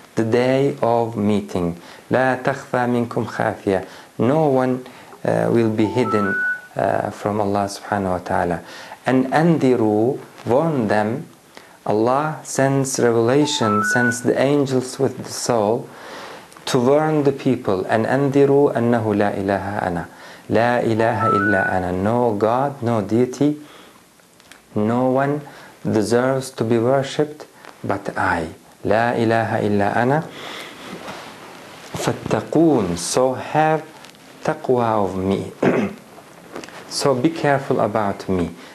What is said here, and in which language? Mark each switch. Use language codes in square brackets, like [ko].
[en] The day of meeting. [ar] لا تخفى منكم خافية. [en] No one will be hidden from Allah subhanahu wa ta'ala. And أنذروا, warn them. Allah sends revelation, sends the angels with the soul to warn the people. [ar] And أنذروا أنه لا إله أنا. لا إله إلا أنا. [en] No God, no deity, no one deserves to be worshipped but I. [ar] لا إله إلا أنا. فاتقون. [en] So have taqwa of me. So be careful about me.